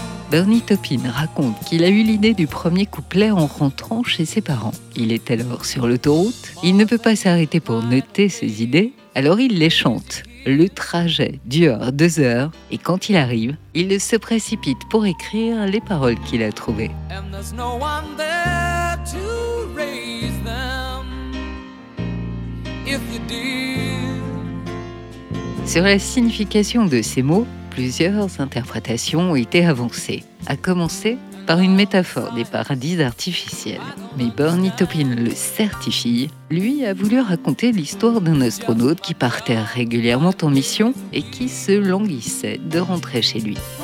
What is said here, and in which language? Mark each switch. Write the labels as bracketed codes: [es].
[fr] Bernie Taupin raconte qu'il a eu l'idée du premier couplet en rentrant chez ses parents. Il est alors sur l'autoroute, il ne peut pas s'arrêter pour noter ses idées, alors il les chante. Le trajet dure 2 heures, et quand il arrive, il se précipite pour écrire les paroles qu'il a trouvées. [en] And there's no one there to raise them. If you did. [fr] Sur la signification de ces mots, plusieurs interprétations ont été avancées, à commencer par une métaphore des paradis artificiels. Mais Bernie Taupin le certifie, lui a voulu raconter l'histoire d'un astronaute qui partait régulièrement en mission et qui se languissait de rentrer chez lui.